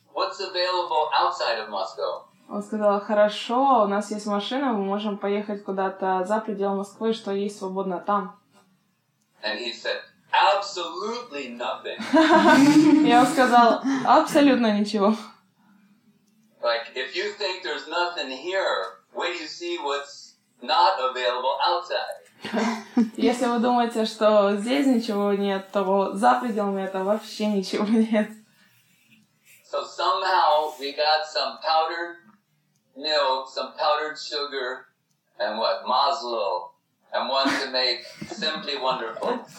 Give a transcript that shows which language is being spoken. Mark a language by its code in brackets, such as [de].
[en] What's available outside of Moscow? [ru] Он сказал, хорошо, у нас есть машина, мы можем поехать куда-то за пределы Москвы, что есть свободно там. [en] And he said, absolutely nothing. [ru] Я сказал, абсолютно ничего. [en] Like, if you think there's nothing here, where do you see what's not available outside? [ru] Если вы думаете, что здесь ничего нет, то за пределами это вообще ничего нет. [en] So somehow we got some powder. Milk, some powdered sugar, and what? Mazlo. And one to make simply wonderful.